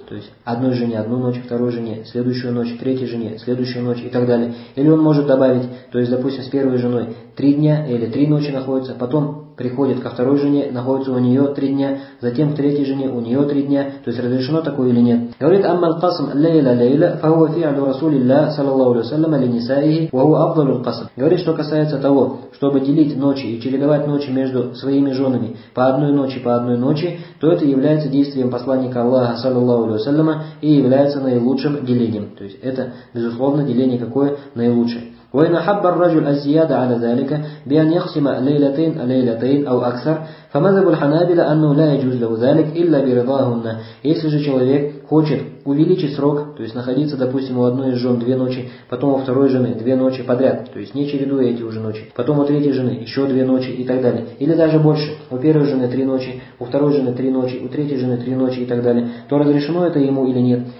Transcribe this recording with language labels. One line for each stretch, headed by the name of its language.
Russian: То есть одной жене одну ночь, второй жене следующую ночь, третьей жене следующую ночь и так далее. Или он может добавить, то есть, допустим, с первой женой три дня или три ночи находится, потом приходит ко второй жене, находится у нее три дня, затем к третьей жене, у нее три дня. То есть разрешено такое или нет?
Arabic: Говорит, «Аммал قسم лейла лейла فهو فعل رسول الله صلى الله عليه وسلم لنسائه وهو افضل القسم».
Russian: Говорит, что касается того, чтобы делить ночи и чередовать ночи между своими женами по одной ночи, то это является действием посланника Аллаха
Arabic: صلى الله عليه وسلم
Russian: и является наилучшим делением. То есть это, безусловно, деление какое наилучшее.
Arabic: وإن حب الرجل الزيادة على ذلك بأن يقسم ليلتين ليلتين أو أكثر فمذهب الحنابلة أنه لا يجوز له ذلك إلا برضاهن.
Russian: Если же человек хочет увеличить срок, то есть находиться, допустим, у одной из жен две ночи, потом у второй жены две ночи подряд, то есть не чередуя эти уже ночи, потом у третьей жены еще две ночи и так далее, или даже больше, у первой жены три ночи, у второй жены три ночи, у третьей жены три ночи и так далее, то разрешено это ему или нет?